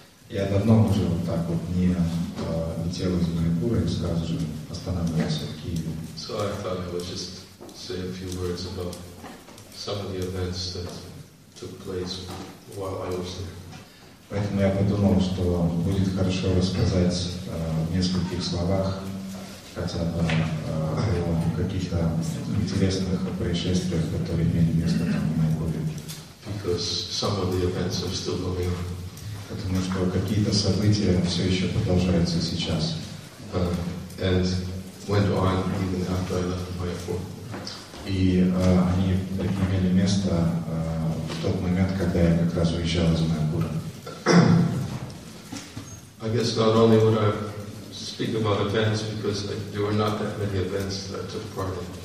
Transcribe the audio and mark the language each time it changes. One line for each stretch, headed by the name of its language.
Russian: Я давно уже вот так вот не летел из Майкура и сразу же останавливался в Киеве.
English: So I thought I would just say a few words about some of the events that took place while I was there.
Russian: Поэтому я подумал, что будет хорошо рассказать в нескольких словах хотя бы о каких-то интересных происшествиях, которые имели место там в Майкуре.
English: Because some of the events are still going on.
Russian: Потому что какие-то события все еще продолжаются сейчас.
English: And went on even after I left my airport.
Russian: И они имели место в тот момент, когда я как раз уезжал из Майкура.
English: I guess not only would I speak about events, because there were not that many events that I took part in.